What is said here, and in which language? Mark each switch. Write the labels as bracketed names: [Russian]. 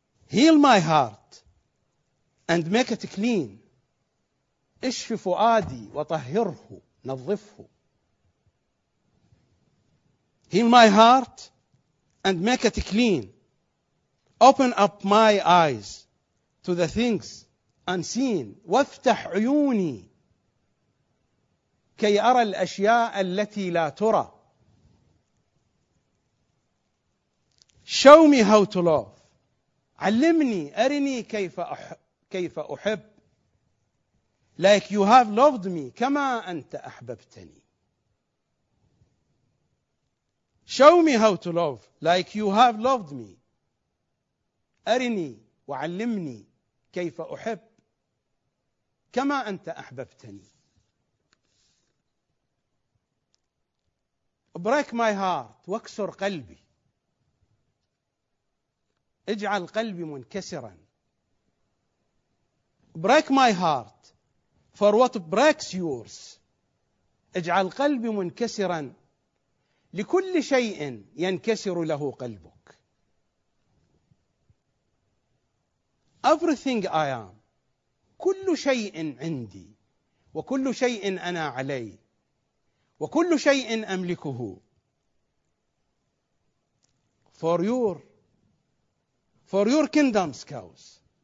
[English] Heal my heart and make it clean، [Arabic] اشف فؤادي وطهره، نظفه. [English] heal my heart and make it clean. Open up my eyes to the things unseen. [Arabic] وافتح عيوني كي أرى الأشياء التي لا ترى. [English] Show me how to love. [Arabic] علمني أرني كيف أحب. [English] Like you have loved me, [Arabic] كما أنت أحببتني. [English] Show me how to love, like you have loved me. [Arabic] أرني وعلمني كيف أحب كما أنت أحببتني. [English] Break my heart, [Arabic] واكسر قلبي. اجعل قلبي منكسرا. [English] Break my heart, for what breaks yours. [Arabic] اجعل قلبي منكسرا لكل شيء ينكسر له قلبك. [English] Everything I am, [Arabic] كل شيء عندي وكل شيء أنا علي وكل شيء أملكه. [English] For your kingdom's cause.